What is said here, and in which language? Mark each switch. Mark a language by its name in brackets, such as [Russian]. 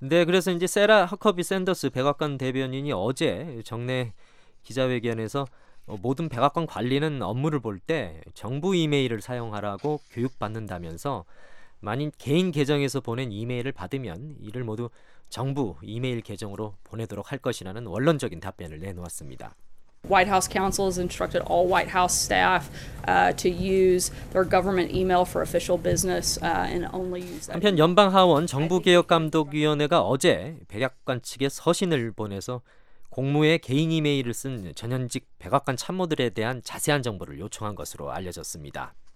[Korean] 네, 그래서 이제 세라 허커비 샌더스 백악관 대변인이 어제 정례 기자회견에서 모든 백악관 관리는 업무를 볼 때 정부 이메일을 사용하라고 교육받는다면서 만인 개인 계정에서 보낸 이메일을 받으면 이를 모두 정부 이메일 계정으로 보내도록 할 것이라는 원론적인 답변을 내놓았습니다. [English] White House counsel has instructed all White House staff to use their government email for official business and only use that. [Korean] 한편 연방 하원 정부 개혁 감독 위원회가 어제 백악관 측에 서신을 보내서 공무에 개인 이메일을 쓴 전현직 백악관 참모들에 대한 자세한 정보를 요청한 것으로 알려졌습니다.